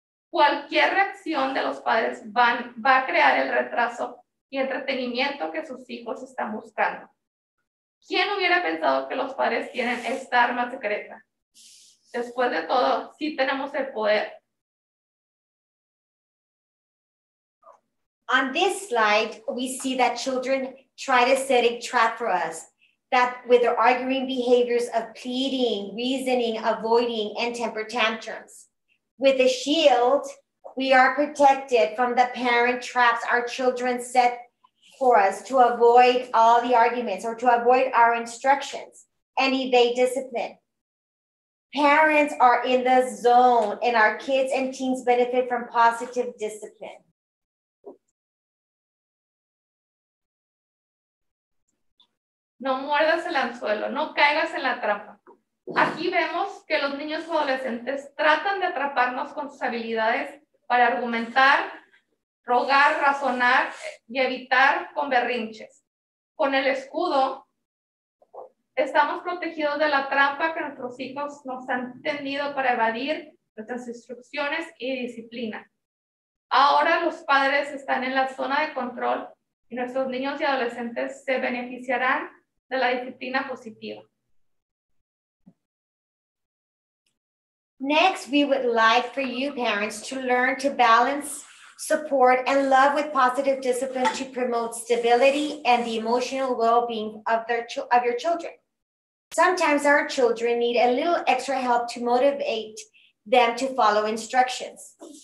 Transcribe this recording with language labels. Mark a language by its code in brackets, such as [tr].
[es] Cualquier reacción de los padres va a crear el retraso y entretenimiento que sus hijos están buscando. ¿Quién hubiera pensado que los padres tienen esta arma secreta? Después de todo, sí tenemos el poder. [en] On this slide, we see that children try to set a trap for us. that with their arguing behaviors of pleading, reasoning, avoiding, and temper tantrums. With a shield, we are protected from the parent traps our children set for us to avoid all the arguments or to avoid our instructions and evade discipline. Parents are in the zone and our kids and teens benefit from positive discipline. [es] No muerdas el anzuelo, no caigas en la trampa. Aquí vemos que los niños o adolescentes tratan de atraparnos con sus habilidades para argumentar, rogar, razonar y evitar con berrinches. Con el escudo, estamos protegidos de la trampa que nuestros hijos nos han tendido para evadir nuestras instrucciones y disciplina. Ahora los padres están en la zona de control y nuestros niños y adolescentes se beneficiarán de la disciplina positiva. [en] Next, we would like for you parents to learn to balance support and love with positive discipline to promote stability and the emotional well-being of your children. Sometimes our children need a little extra help to motivate them to follow instructions.